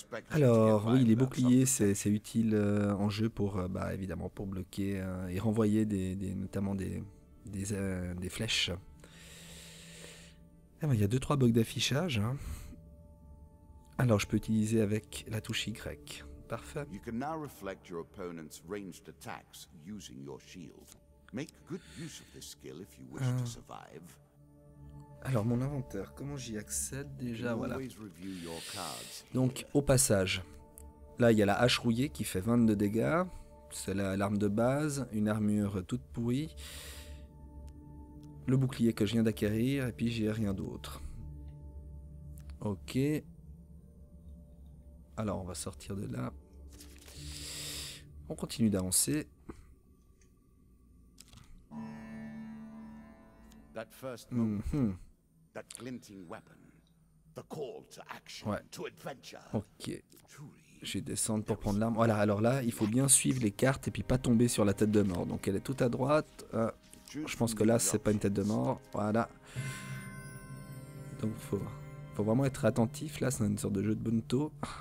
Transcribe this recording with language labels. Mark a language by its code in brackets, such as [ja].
[fr] Alors, oui, les boucliers, c'est utile en jeu pour, bah, évidemment, pour bloquer et renvoyer notamment des flèches. Ah ben, il y a 2-3 bugs d'affichage. Hein. Alors je peux utiliser avec la touche Y. Parfait. [en] You can now reflect your opponent's ranged attacks using your shield. Make good use of this skill if you wish to survive. [fr] Alors mon inventaire, comment j'y accède déjà? [en] You can [fr] Voilà. [en] always review your cards [fr] Donc [en] here. [fr] au passage, là il y a la hache rouillée qui fait 22 dégâts. C'est l'arme de base, une armure toute pourrie. le bouclier que je viens d'acquérir et puis j'ai rien d'autre. Ok. Alors on va sortir de là. On continue d'avancer. [en] That first moment, that glinting weapon, the call to action, [fr] ouais. [en] To adventure. [fr] Ok. Je vais descendre pour prendre l'arme. Voilà, alors là, il faut bien suivre les cartes et puis pas tomber sur la tête de mort. Donc elle est tout à droite. Je pense que là, c'est pas une tête de mort. Voilà. Donc faut vraiment être attentif. Là, c'est une sorte de jeu de bonneteau.